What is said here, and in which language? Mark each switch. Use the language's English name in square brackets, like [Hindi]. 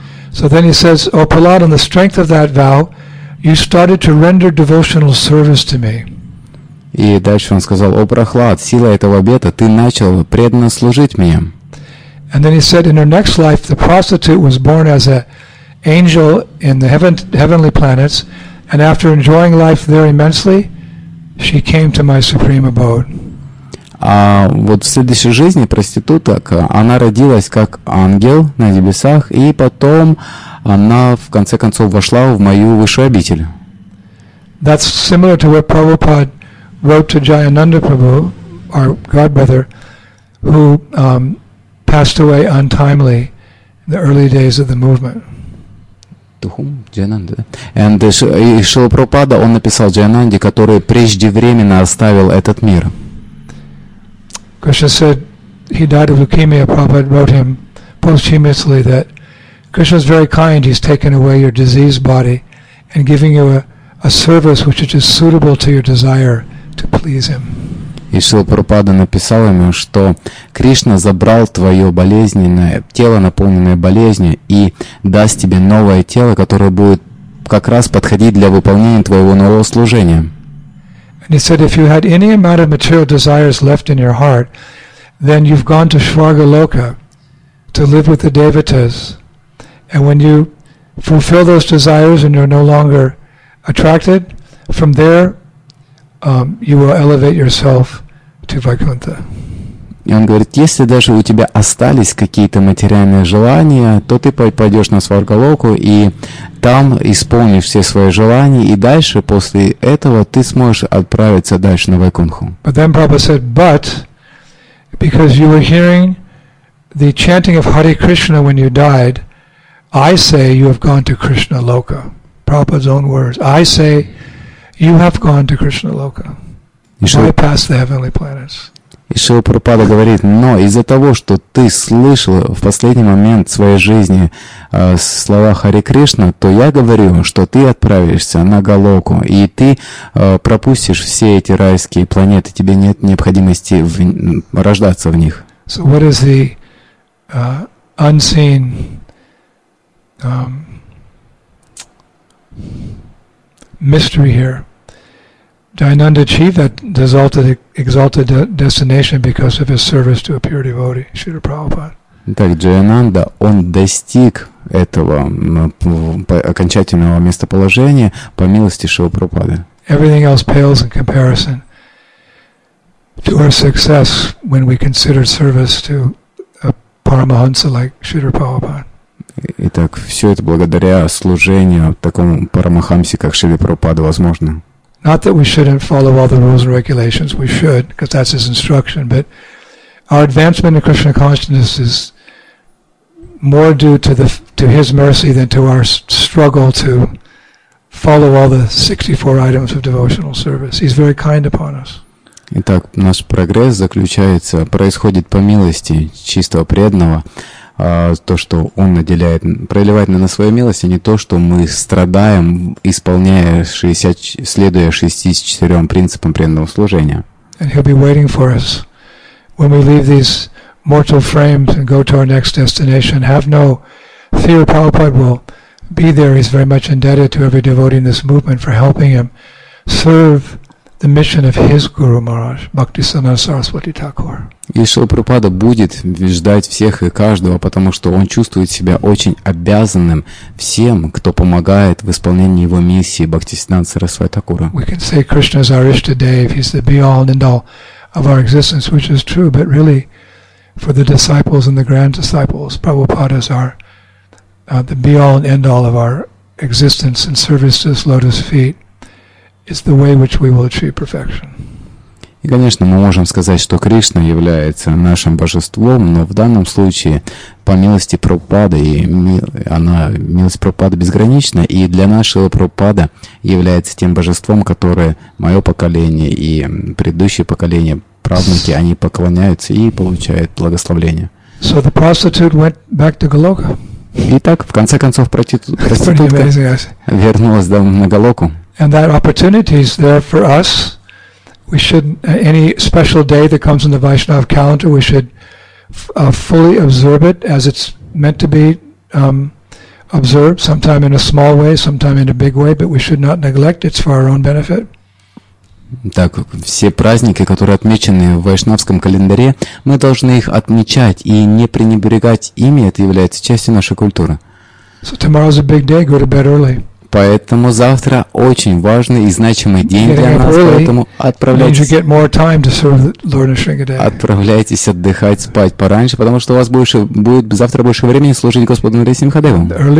[English] So then he says, O Prahlad, on the strength of that vow, you started to render devotional service to me. [Russian] И дальше он сказал: "О Прохлад, сила этого обета, ты начал преданно служить мне." [English] And then he said, "In her next life, the prostitute was born as an angel in the heavenly planets, and after enjoying life there immensely, she came to my supreme abode." [Russian] А вот в следующей жизни проституток она родилась как ангел на небесах, и потом она в конце концов вошла в мою высшую обитель. [English] That's similar to what Prabhupada wrote to Jayananda Prabhu, our godbrother, who passed away untimely in the early days of the movement. [Russian] And Шрила Прабхупада, он написал Джайананде, который преждевременно оставил этот мир. [English] Krishna said he died of leukemia. Prabhupada wrote him posthumously that Krishna is very kind. He's taken away your diseased body and giving you a service which is just suitable to your desire to please him. [Russian] И Шрила Прабхупада написал ему, что Кришна забрал твое болезненное тело, наполненное болезнью, и даст тебе новое тело, которое будет как раз подходить для выполнения твоего нового служения. [English] And he said, if you had any amount of material desires left in your heart, then you've gone to Svargaloka to live with the devatas. And when you fulfill those desires and you're no longer attracted, from there you will elevate yourself to Vaikuntha. [Russian] И он говорит, если даже у тебя остались какие-то материальные желания, то ты пойдешь на Сваргалоку и там исполнишь все свои желания, и дальше, после этого, ты сможешь отправиться дальше на Вайкунху. [English] But then Prabhupada said, but because you were hearing the chanting of Hare Krishna when you died, I say you have gone to Krishna Loka. Prabhupada's own words. I say you have gone to Krishna Loka. Bypass the heavenly planets. [Russian] И Шрила Прабхупада говорит, но из-за того, что ты слышал в последний момент своей жизни слова Хари Кришна, то я говорю, что ты отправишься на Галоку, и ты пропустишь все эти райские планеты, тебе нет необходимости рождаться в них. [English] So what is the unseen mystery here? Jayananda achieved that exalted destination because of his service to a pure devotee, Śrīla Prabhupāda. [Russian] Так, Джайананда, он достиг этого окончательного местоположения по милости Шрилы Прабхупады. [English] Everything else pales in comparison to our success when we consider service to a Paramahansa like Śrīla Prabhupāda. [Russian] Итак, все это благодаря служению такому Парамахамсе, как Шрила Прабхупада, возможно. [English] Not that we shouldn't follow all the rules and regulations, we should, because that's his instruction, but our advancement in Krishna consciousness is more due to his mercy than to our struggle to follow all the 64 items of devotional service. He's very kind upon us. [Russian] Итак, наш прогресс заключается, происходит по милости чистого преданного, то, что он наделяет, проливает на нас свою милость, а не то, что мы страдаем, исполняя, следуя 64 принципам преданного служения. [English] And he'll be waiting for us when we leave these mortal frames and go to our next destination. Have no fear. Prabhupada will be there. He's very much indebted to every devotee in this movement for helping him serve the mission of his Guru Maharaj, Bhakti Sanatana Saraswati Thakur. [Russian] И Шрила Прабхупада будет ждать всех и каждого, потому что он чувствует себя очень обязанным всем, кто помогает в исполнении его миссии Бхакти Сиддханта Сарасвати Такура. [English] We can say Krishna is our Ishtadev, he's the be-all and end-all of our existence, which is true, but really, for the disciples and the grand disciples, Prabhupada is our the be-all and end-all of our existence in service to his lotus feet. It's the way which we will achieve perfection. [Russian] И, конечно, мы можем сказать, что Кришна является нашим божеством, но в данном случае, по милости Прабхупады, милость Прабхупады безгранична, и для нашего Прабхупада является тем божеством, которое мое поколение и предыдущее поколение, правнуки, они поклоняются и получают благословение. [English] So the prostitute went back to Goloka. [Russian] Итак, в конце концов, проститутка вернулась на Голоку. [English] And that opportunity is there for us. We should, any special day that comes in the Vaishnava calendar, we should fully observe it as it's meant to be observed, sometime in a small way, sometime in a big way, but we should not neglect it. It's for our own benefit. [Russian] Так, все праздники, которые отмечены в вайшнавском календаре, мы должны их отмечать и не пренебрегать ими. Это является частью нашей культуры. [English] So tomorrow's a big day. Go to bed early. [Russian] Поэтому завтра очень важный и значимый день для нас, поэтому отправляйтесь отдыхать, спать пораньше, потому что у вас больше, будет завтра больше времени служить Господу Нарисимхадеву.